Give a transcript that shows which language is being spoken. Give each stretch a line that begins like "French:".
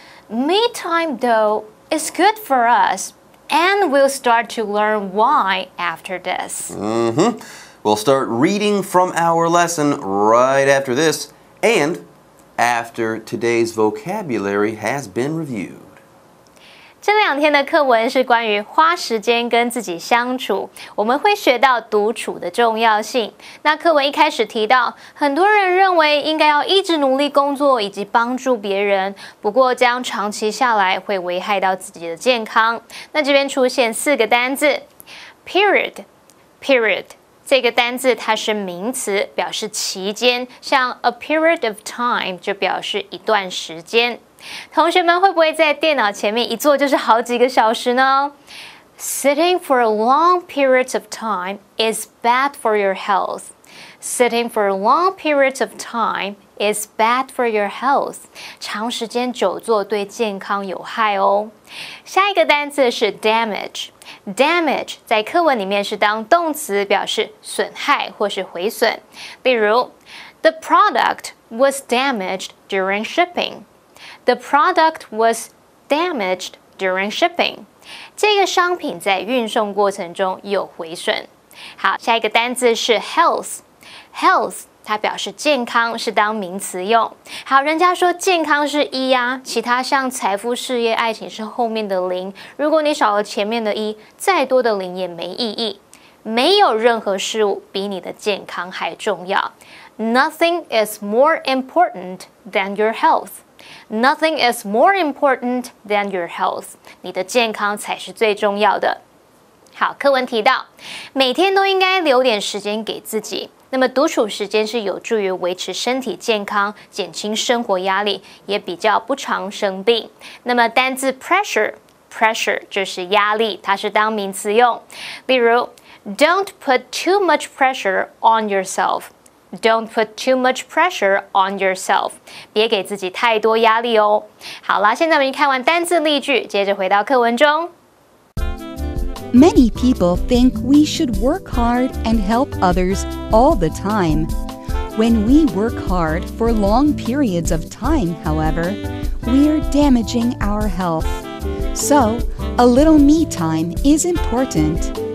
English: Me time, though, is good for us. And we'll start to learn why after this. We'll start reading from our lesson right after this and after today's vocabulary has been reviewed.
Chinese: 这两天的课文是关于花时间跟自己相处，我们会学到独处的重要性。那课文一开始提到，很多人认为应该要一直努力工作以及帮助别人，不过这样长期下来会危害到自己的健康。那这边出现四个单字 period 这个单字它是名词，表示期间，像
English: a period of time
Chinese: 就表示一段时间。同学们会不会在电脑前面一坐就是好几个小时呢？
English: Sitting for a long period of time is bad for your health. Sitting for a long period of time is bad for your health.
Chinese: 长时间久坐对健康有害哦。下一个单词是 damage。 Damage 在课文里面是当动词，表示损害或是毁损。比如
English: The product was damaged during shipping.
Chinese: The product was damaged during shipping. 这个商品在运送过程中有毁损。好，下一个单字是 health. Health 它表示健康，是当名词用。好，人家说健康是一啊，其他像财富、事业、爱情是后面的零。如果你少了前面的一，再多的零也没意义。没有任何事物比你的健康还重要。
English: Nothing is more important than your health. Nothing is more important than your health.
Chinese: 你的健康才是最重要的。好，课文提到，每天都应该留点时间给自己。那么独处时间是有助于维持身体健康，减轻生活压力，也比较不常生病。那么单字 pressure 就是压力，它是当名词用。例如
English: ，Don't put too much pressure on yourself. Don't put too much pressure on yourself.
Chinese: 别给自己太多压力哦。好啦，现在我们看完单字例句，接着回到课文中。
English: Many people think we should work hard and help others all the time. When we work hard for long periods of time, however, we are damaging our health. So, a little me time is important.